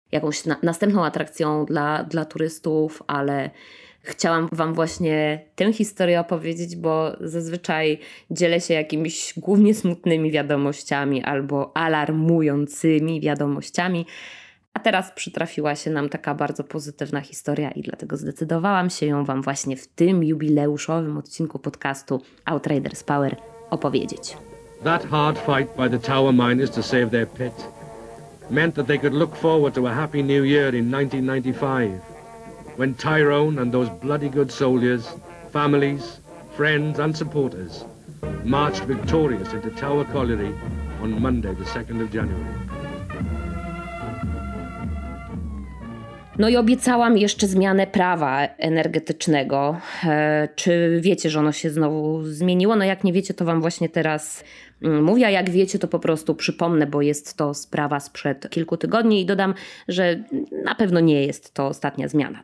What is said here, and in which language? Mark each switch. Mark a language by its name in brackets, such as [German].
[Polish] jakąś następną atrakcją dla turystów, ale chciałam wam właśnie tę historię opowiedzieć, bo zazwyczaj dzielę się jakimiś głównie smutnymi wiadomościami albo alarmującymi wiadomościami, a teraz przytrafiła się nam taka bardzo pozytywna historia i dlatego zdecydowałam się ją wam właśnie w tym jubileuszowym odcinku podcastu Outriders Power opowiedzieć. [English] That hard fight by the tower miners to save their pit meant that they could look forward to a happy new year in 1995, when Tyrone and those bloody good soldiers, families, friends and supporters marched victorious into Tower Colliery on Monday the 2nd of January. [Polish] No i obiecałam jeszcze zmianę prawa energetycznego. Czy wiecie, że ono się znowu zmieniło? No jak nie wiecie, to wam właśnie teraz mówię, a jak wiecie, to po prostu przypomnę, bo jest to sprawa sprzed kilku tygodni i dodam, że na pewno nie jest to ostatnia zmiana.